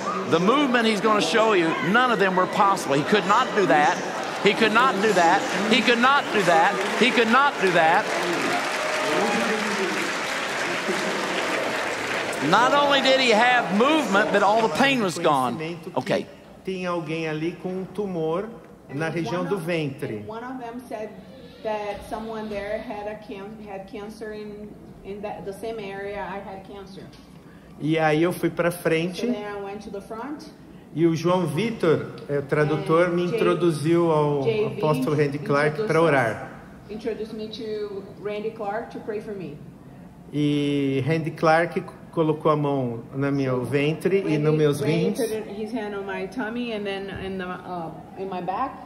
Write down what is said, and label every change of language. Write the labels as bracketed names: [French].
[English] The movement he's going to show you, none of them were possible. He could not do that. He could not do that. He could not do that. He could not do that. Not only did he have movement, but all the pain was gone. Okay. [Portuguese] Tinha alguém ali com um tumor na região do ventre. [English] One of them said that someone there had cancer in the same area I had cancer. [Portuguese] E aí eu fui para frente. [English] So then I went to the front. [Portuguese] E o João Vitor, o tradutor, me introduziu ao apóstolo Randy Clark para orar. [English] Introduced me to Randy Clark to pray for me. [Portuguese] E Randy Clark colocou a mão no meu ventre e nos meus rins. [English] His hand on my tummy and then in my back.